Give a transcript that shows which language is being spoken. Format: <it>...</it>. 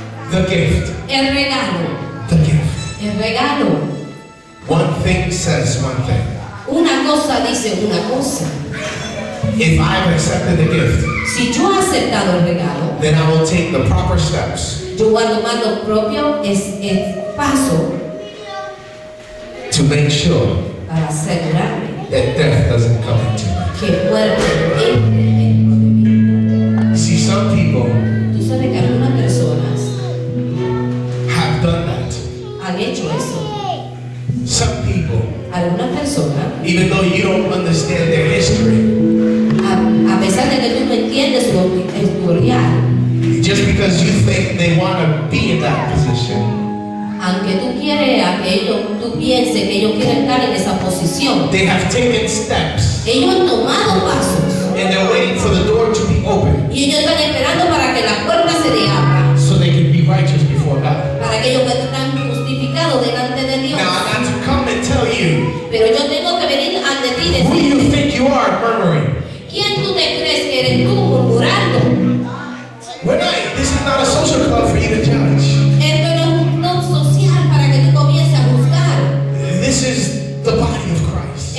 <en>The gift.</en> <es>El regalo.</es> <en>The gift.</en> <es>El regalo.</es> <en>One thing says one thing.</en> <es>Una cosa dice una cosa.</es> <en>If I've accepted the gift,</en> <es>si yo he aceptado el regalo,</es> <en>then I will take the proper steps.</en> <es>Yo voy a tomar lo propio, es el paso.</es> <en>To make sure,</en> <es>para asegurarme</es> <en>that death doesn't come into me.</en> <es>Que muerte entre en mí.</es> <en>See, some people,</en> <es>tú sabes que algunas personas</es> <en>have done that.</en> <es>Han hecho eso.</es> <en>Some people,</en> <es>algunas personas,</es> <en>even though you don't understand their history.</en> <es>A pesar de que tú no entiendes su historia.</es> <en>Just because you think they want to be in that position.</en> <es>Aunque tú quieres aquello, tú pienses que ellos quieren estar en esa posición.</es> <en>They have taken steps.</en> <es>Ellos han tomado pasos.</es> <en>And they're waiting for the door to be open.</en> <es>Y ellos están esperando para que la puerta se le abra.</es> <en>So they can be righteous before God.</en> <es>Para que ellos estén justificados delante de Dios.</es> <en>Now I have to come and tell you.</en> <es>Pero yo tengo que venir ante ti y decirte.</es> <en>Who do you think you are murmuring?</en> <es>¿Quién tú te crees que eres tú murmurando?</es> <en>This is not a social club for you to judge.</en> <es>Esto no es un club social para que tú comiences a juzgar.</es> <en>This is the body of Christ.</en>